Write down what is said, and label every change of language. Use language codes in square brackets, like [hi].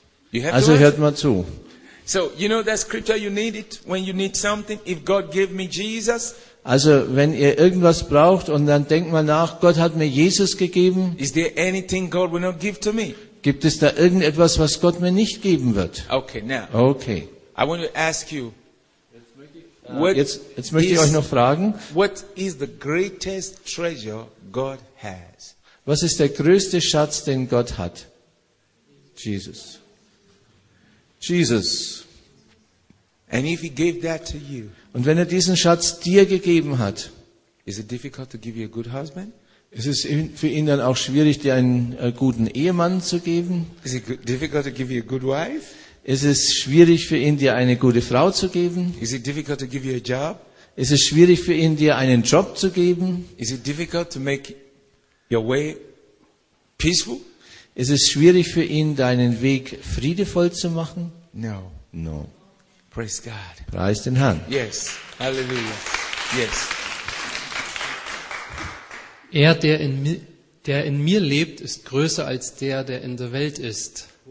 [en] You have also to answer. [de] Hört mal zu. [en] So, you know that scripture, you need it when you need something. If God gave me Jesus. [de] Also, wenn ihr irgendwas braucht und dann denkt mal nach, Gott hat mir Jesus gegeben. [en] Is there anything God will not give to me? [de] Gibt es da irgendetwas, was Gott mir nicht geben wird? [en] Okay, now. Okay. I want to ask you. [de] Jetzt möchte ich euch noch fragen. [en] What is the greatest treasure God has? [de] Was ist der größte Schatz, den Gott hat? [en] Jesus. Jesus. And if he gave that to you, [de] und wenn er diesen Schatz dir gegeben hat, [en] is it difficult to give you a good husband? [de] Ist es für ihn dann auch schwierig, dir einen guten Ehemann zu geben? [en] Is it difficult to give you a good wife? [de] Ist es schwierig für ihn, dir eine gute Frau zu geben? [en] Is it difficult to give you a job? [de] Ist es schwierig für ihn, dir einen Job zu geben? [en] Is it difficult to make your way peaceful? [de] Ist es schwierig für ihn, deinen Weg friedevoll zu machen? [en] No. No. Praise God. [de] Preis den Herrn. [en] Yes. Hallelujah. Yes. [de] Er, der in mir lebt, ist größer als der in der Welt ist.